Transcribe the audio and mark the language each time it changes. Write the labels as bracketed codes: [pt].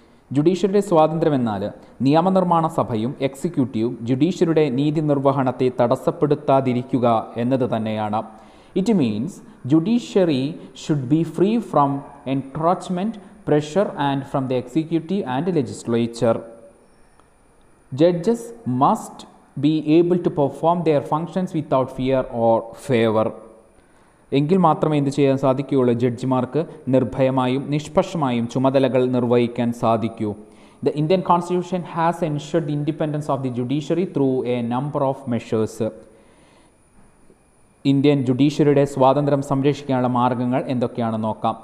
[ml] ജുഡീഷ്യറിയുടെ സ്വാതന്ത്ര്യം എന്നാൽ നിയമനിർമ്മാണ സഭയും എക്സിക്യൂട്ടീവും ജുഡീഷ്യറിയുടെ നീതി നിർവഹണത്തെ തടസ്സപ്പെടുത്താതിരിക്കുക എന്നത് തന്നെയാണ്. [en] It means judiciary should be free from encroachment pressure and from the executive and legislature. Judges must be able to perform their functions without fear or favor. [ml] എങ്കിൽ മാത്രമേ എന്ത് ചെയ്യാൻ സാധിക്കുകയുള്ളൂ, ജഡ്ജിമാർക്ക് നിർഭയമായും നിഷ്പക്ഷമായും ചുമതലകൾ നിർവഹിക്കാൻ സാധിക്കൂ. [en] The Indian constitution has ensured independence of the judiciary through a number of measures. [ml] Indian ജുഡീഷ്യറിയുടെ സ്വാതന്ത്ര്യം സംരക്ഷിക്കാനുള്ള മാർഗങ്ങൾ എന്തൊക്കെയാണെന്ന് നോക്കാം.